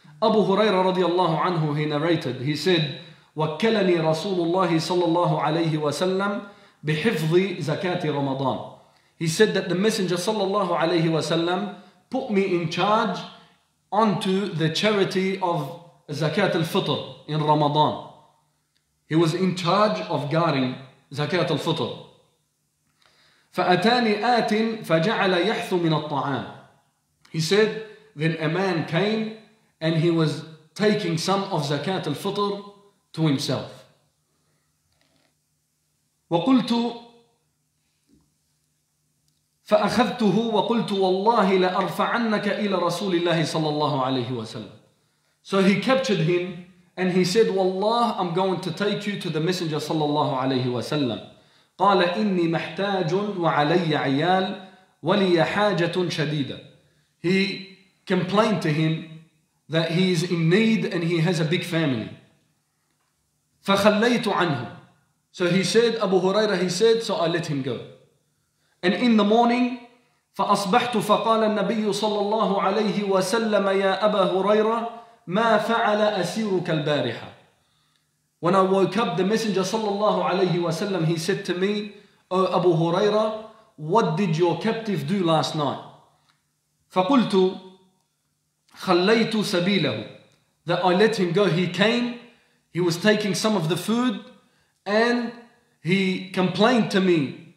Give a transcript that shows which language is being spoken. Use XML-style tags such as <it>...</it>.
<en>Abu Huraira radiallahu anhu, he narrated, he said,</en> <ar>وَكَّلَنِي رَسُولُ اللَّهِ صَلَّى اللَّهُ عَلَيْهِ وَسَلَّمْ بِحِفْظِ زَكَاةِ رَمَضَانِ.</ar> <en>He said that the messenger صلى الله عليه وسلم put me in charge onto the charity of Zakat al-Fitr in Ramadan. He was in charge of guarding Zakat al-Fitr.</en> <ar>فأتاني آت فجعل يحث من الطعام.</ar> <en>He said, then a man came and he was taking some of Zakat al-Fitr to himself.</en> <ar>وقلت فأخذته وقلت والله لأرفعنك إلى رسول الله صلى الله عليه وسلم.</ar> <en>So he captured him and he said, Wallah, I'm going to take you to the messenger صلى الله عليه وسلم.</en> <ar>قال إني محتاج وعلي عيال ولي حاجة شديدة.</ar> <en>He complained to him that he is in need and he has a big family.</en> <ar>فخليت عنه.</ar> <en>So he said, Abu Huraira, he said, so I let him go. And in the morning,</en> <ar>فأصبحت فقال النبي صلى الله عليه وسلم يا أبا هريرة ما فعل أسيرك البارحة.</ar> <en>When I woke up, the messenger صلى الله عليه وسلم, he said to me, O Abu Huraira, what did your captive do last night?</en> <ar>فقلت خليت سبيله,</ar> <en>that I let him go. He came, he was taking some of the food and he complained to me.</en>